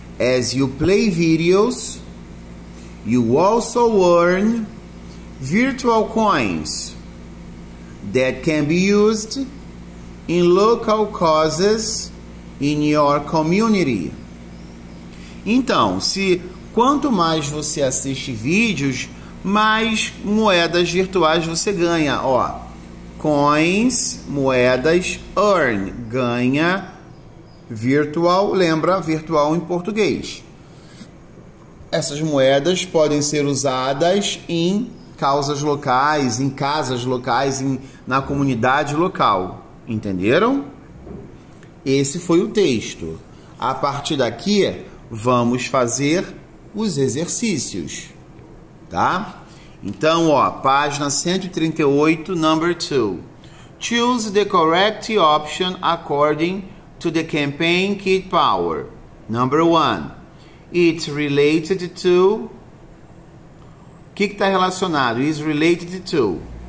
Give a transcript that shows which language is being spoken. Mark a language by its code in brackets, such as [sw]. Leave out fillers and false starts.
[en] As you play videos, you also earn virtual coins that can be used in local causes in your community. [pt] Então, se quanto mais você assiste vídeos, mais moedas virtuais você ganha, ó. Coins, moedas, earn, ganha, virtual, lembra, virtual em português. Essas moedas podem ser usadas em causas locais, em casas locais, na comunidade local. Entenderam? Esse foi o texto. A partir daqui, vamos fazer os exercícios, tá? Então, ó, página 138, number 2. [en] Choose the correct option according to the campaign kit power. Number 1. It's related to... [pt] O que está relacionado? [en] It's related to...